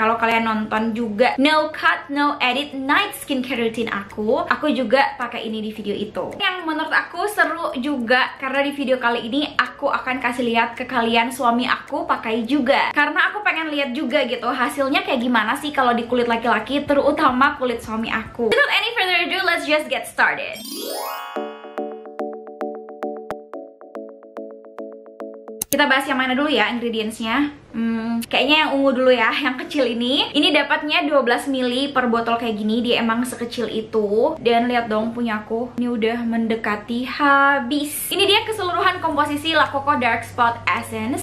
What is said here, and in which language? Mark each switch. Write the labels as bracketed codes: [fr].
[id] Kalau kalian nonton juga No Cut No Edit Night Skincare Routine aku juga pakai ini di video itu. Yang menurut aku seru juga karena di video kali ini aku akan kasih lihat ke kalian suami aku pakai juga. Karena aku pengen lihat juga gitu hasilnya kayak gimana sih kalau di kulit laki-laki, terutama kulit suami aku. [en] Without any further ado, let's just get started. [id] Kita bahas yang mana dulu ya ingredients-nya. Kayaknya yang ungu dulu ya, yang kecil ini. Ini dapatnya 12 ml per botol kayak gini, dia emang sekecil itu. Dan lihat dong punyaku, ini udah mendekati habis. Ini dia keseluruhan komposisi La Coco Dark Spot Essence.